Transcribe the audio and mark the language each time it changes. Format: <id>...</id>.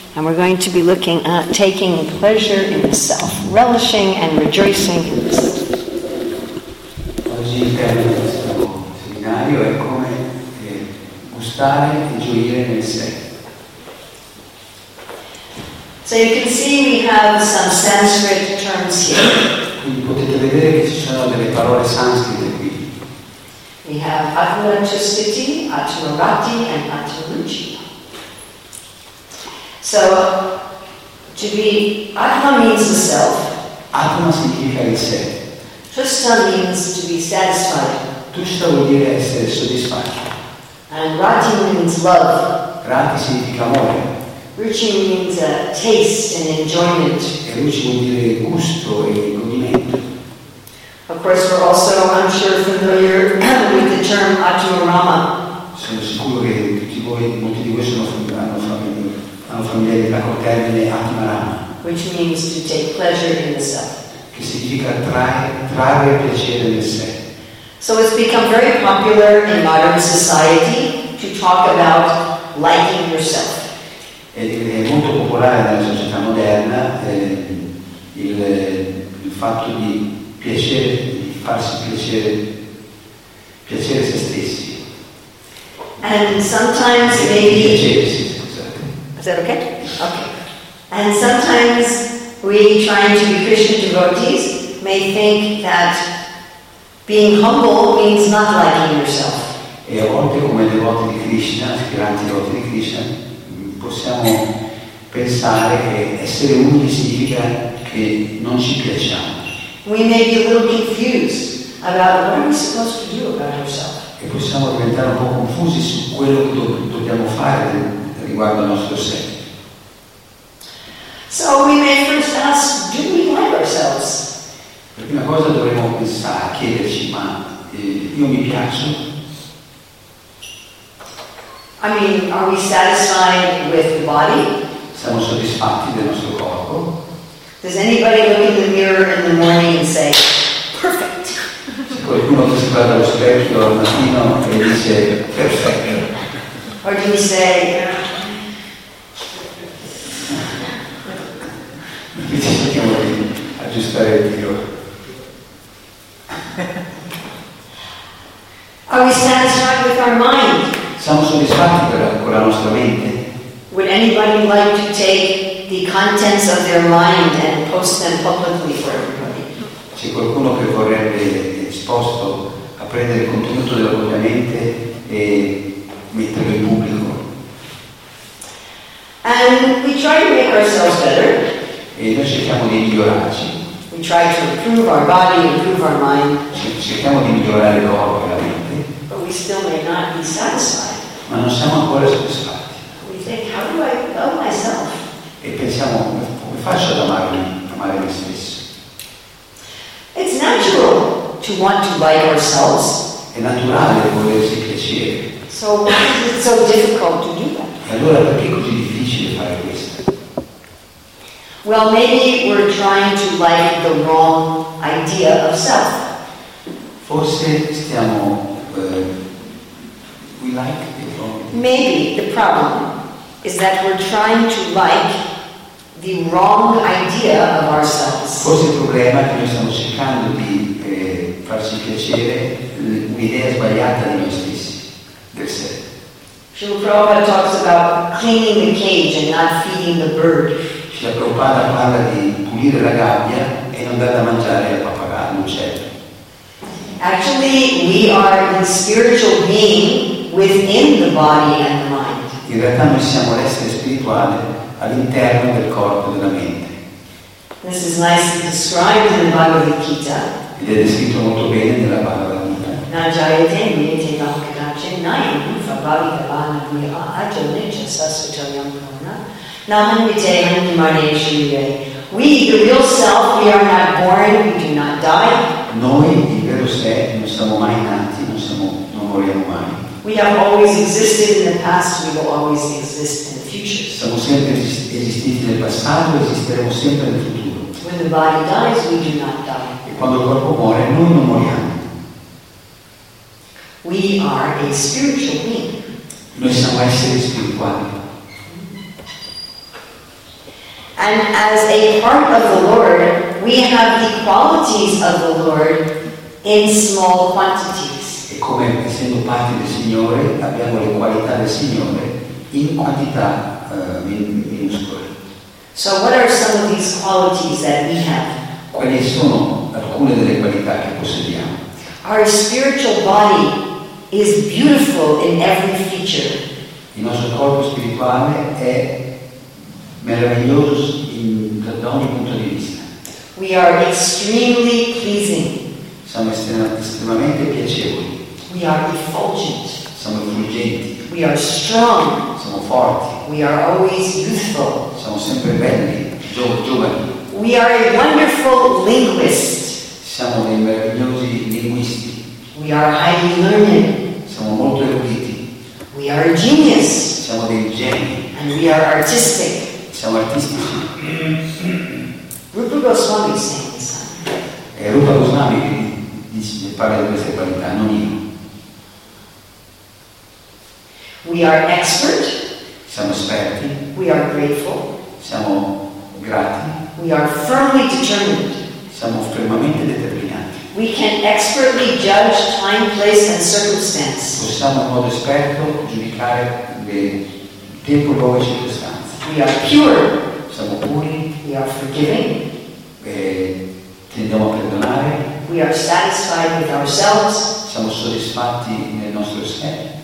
<en>And we're going to be looking at taking pleasure in the self, relishing and rejoicing in the self.</en> <it>Oggi il termine del seminario è come gustare e gioire nel sé.</it> <en>So you can see we have some Sanskrit terms here.</en> <it>Quindi potete vedere che ci sono delle parole sanscrite qui.</it> <en>We have atmanicity, atmarati, and atmalucia. So to be atma means the self.</en> <it>Atma significa il sé.</it> <en>Tushta means to be satisfied.</en> <it>Tushta vuol dire essere soddisfatto.</it> <en>And rati means love.</en> <it>Rati significa amore.</it> <en>Ruchi means a taste and enjoyment.</en> <it>E ruchi vuol dire gusto e godimento.</it> <en>Of course, we're also, I'm sure, familiar with the term atmarama.</en> <it>Sono sicuro che tutti voi, molti di voi, hanno familiarità col termine atmarama.</it> <en>Which means to take pleasure in the self.</en> <it>Che significa trarre piacere nel sé.</it> <en>So it's become very popular in modern society to talk about liking yourself.</en> <it>È molto popolare nella società moderna il fatto di piacere, di farsi piacere se stessi.</it> <en>And sometimes maybe. Is that okay? Okay. And sometimes we trying to be Christian devotees may think that being humble means not liking yourself.</en> <it>E a volte come devoti di Krishna, aspiranti devoti di Krishna, possiamo pensare che essere umili significa che non ci piacciamo.</it> <en>We may be a little confused about what we're supposed to do about ourselves.</en> <it>E possiamo diventare un po' confusi su quello che dobbiamo fare riguardo al nostro sé.</it> <en>So we may first ask, do we like ourselves?</en> <it>La prima cosa dovremmo pensare, chiederci, ma io mi piaccio?</it> <en>I mean, are we satisfied with the body?</en> <it>Siamo soddisfatti del nostro corpo?</it> <en>Does anybody look in the mirror in the morning and say, perfect?</en> <it>Se qualcuno si guarda allo specchio al mattino e dice, perfetto.</it> <en>Or do we say,</en> <it>mi ci sentiamo di aggiustare il tiro.</it> <en>Are we satisfied with our mind?</en> <it>Siamo soddisfatti con la nostra mente?</it> <en>Would anybody like to take the contents of their mind and post them publicly for everybody?</en> <it>C'è qualcuno che vorrebbe, disposto a prendere il contenuto della propria mente e metterlo in pubblico?</it> <en>And we try to make ourselves better.</en> <it>E noi cerchiamo di migliorarci.</it> <en>We try to improve our body, improve our mind.</en> <it>Cerchiamo di migliorare il corpo e la mente.</it> <en>But we still may not be satisfied.</en> <it>Ma non siamo ancora soddisfatti.</it> <en>We think, how do I love myself?</en> <it>E pensiamo, come faccio ad amare me stesso?</it> <en>It's natural to want to like ourselves.</en> <it>È naturale volersi piacere.</it> <en>So why is it so difficult to do that?</en> <it>E allora perché è così difficile fare questo?</it> <en>Well, maybe we're trying to like the wrong idea of self.</en> <it>Forse stiamo</it> <en>we like. Maybe the problem is that we're trying to like the wrong idea of ourselves.</en> <it>Forse il problema è che noi stiamo cercando di farci piacere un'idea sbagliata di noi stessi, del sé.</it> <en>Srila Prabhupada talks about cleaning the cage and not feeding the bird.</en> <it>Srila Prabhupada parla di pulire la gabbia e non dare da mangiare al pappagallo, l'uccello.</it> <en>Actually, we are the spiritual being within the body and the mind.</en> <it>In realtà noi siamo l'essere spirituale all'interno del corpo e della mente.</it> <en>This is nicely described in the Bhagavad Gita.</en> <it>Ed è descritto molto bene nella Bhagavad Gita.</it> <sa>Najayate miyate nakadache nayam ufa bhagavana viha ajanicha sasutayam kona namamite hanimaneshiye.</sa> <en>We, the real self, we are not born, we do not die.</en> <it>Noi, il vero sé, non siamo mai nati, non moriamo mai.</it> <en>We have always existed in the past, we will always exist in the future.</en> <it>Siamo sempre esistiti nel passato, esisteremo sempre nel futuro.</it> <en>When the body dies, we do not die.</en> <it>E quando il corpo muore, noi non moriamo.</it> <en>We are a spiritual being.</en> <it>Noi siamo esseri spirituali.</it> <en>And as a part of the Lord, we have the qualities of the Lord in small quantities.</en> <it>E come essendo parte del Signore, abbiamo le qualità del Signore in quantità minuscole.</it> <en>So what are some of these qualities that we have?</en> <it>Quali sono alcune delle qualità che possediamo?</it> <en>Our spiritual body is beautiful in every feature.</en> <it>Il nostro corpo spirituale è meraviglioso da ogni punto di vista.</it> <en>We are extremely pleasing.</en> <it>Siamo estremamente piacevoli.</it> <en>We are effulgent.</en> <it>Siamo effulgenti.</it> <en>We are strong.</en> <it>Siamo forti.</it> <en>We are always youthful.</en> <it>Siamo sempre belli, giovani.</it> <en>We are a wonderful linguist.</en> <it>Siamo dei meravigliosi linguisti.</it> <en>We are highly learned.</en> <it>Siamo molto eruditi.</it> <en>We are a genius.</en> <it>Siamo dei geni.</it> <en>And we are artistic.</en> <it>Siamo artistici.</it> <en>Rupa Goswami says.</en> <it>E Rupa Goswami dice, parla di queste qualità, non io.</it> <en>We are expert.</en> <it>Siamo esperti.</it> <en>We are grateful.</en> <it>Siamo grati.</it> <en>We are firmly determined.</en> <it>Siamo fermamente determinati.</it> <en>We can expertly judge time, place, and circumstance.</en> <it>Possiamo in modo esperto giudicare il tempo, luogo e circostanze.</it> <en>We are pure.</en> <it>Siamo puri.</it> <en>We are forgiving.</en> <it>Tendiamo a perdonare.</it> <en>We are satisfied with ourselves.</en> <it>Siamo soddisfatti nel nostro sé.</it>